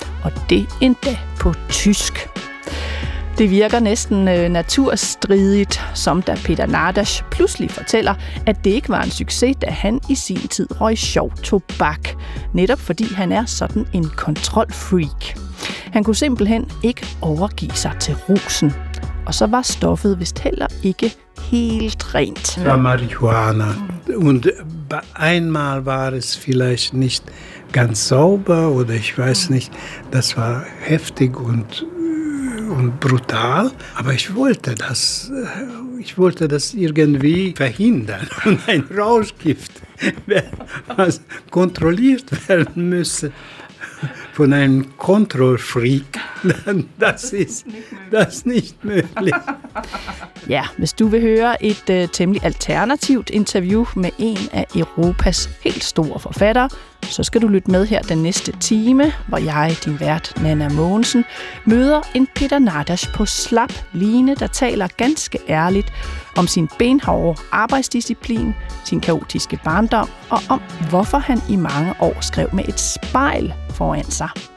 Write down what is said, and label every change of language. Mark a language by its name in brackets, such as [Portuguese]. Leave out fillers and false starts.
[Danish] Og det endda på tysk. Det virker næsten naturstridigt, som da Peter Nardas pludselig fortæller, at det ikke var en succes, da han i sin tid røg sjov tobak. Netop fordi han er sådan en kontrolfreak. Han kunne simpelthen ikke overgive sig til rusen. Og så var stoffet vist heller ikke helt rent. Det var marihuana. [German] Und einmal war es vielleicht nicht ganz sauber oder ich weiß nicht, das war heftig und brutal, aber ich wollte das irgendwie verhindern. Und ein Rauschgift, was kontrolliert werden müsse. Von einem Kontrollfreak, das ist das nicht möglich. [Danish] Ja, hvis du vil høre et temmelig alternativt interview med en af Europas helt store forfattere, så skal du lytte med her den næste time, hvor jeg, din vært Nana Mogensen, møder en Peter Nardas på slap line, der taler ganske ærligt om sin benhårde arbejdsdisciplin, sin kaotiske barndom og om, hvorfor han i mange år skrev med et spejl foran sig.